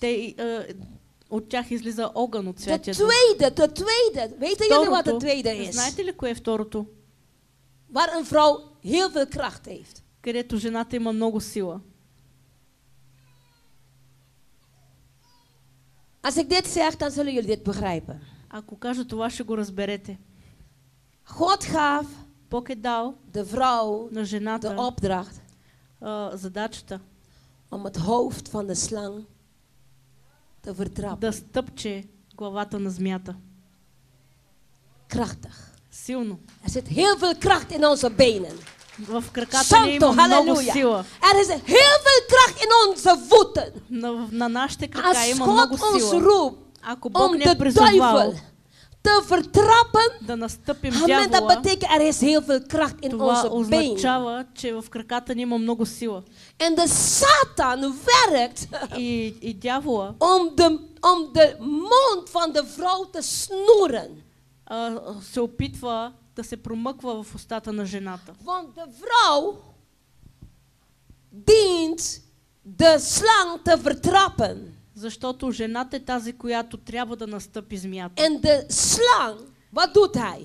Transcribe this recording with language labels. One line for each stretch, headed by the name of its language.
Bulgarian: Те, от тях излиза огън от Святия Дух.
Dutch: De tweede. Weten jullie wat de tweede is?
Bulgarian: Знаете ли кое е второто?
Dutch: Waar een vrouw heel veel kracht heeft.
Bulgarian: Където жената има много сила.
Dutch: Als ik dit zeg, dan zullen jullie dit begrijpen.
Bulgarian: Ако кажа това, ще го разберете.
Dutch: God gaf
Bulgarian: Бог е дал
Dutch: de vrouw
Bulgarian: на жената
Dutch: de opdracht
Bulgarian: задачата
Dutch: om het hoofd van de slang te vertrappen.
Bulgarian: Да стъпче главата на змията.
Dutch: Krachtig.
Bulgarian: Силно.
Dutch: Er zit heel veel kracht in onze benen.
Bulgarian: В краката ни има много сила.
Dutch: Er is heel veel kracht in onze voeten.
Bulgarian: На нашите крака има много сила.
Dutch: Als God ons roept,
Bulgarian: ако Бог ни е призовал
Dutch: te vertrappen,
Bulgarian: да настъпим дявола,
Dutch: dat betekent er is heel veel kracht in onze benen.
Bulgarian: Това означава, че в краката ни има много сила.
English: And the Satan
Dutch: werkt
Bulgarian: и дявола
Dutch: om de mond van de vrouw te snoeren.
Bulgarian: Се опитва да се промъква в устата на жената.
Dutch: Want de vrouw dient de slang te vertrappen.
Bulgarian: Защото жената е тази, която трябва да настъпи змията.
English: And the
Dutch: slang,
English: what
Dutch: doet hij?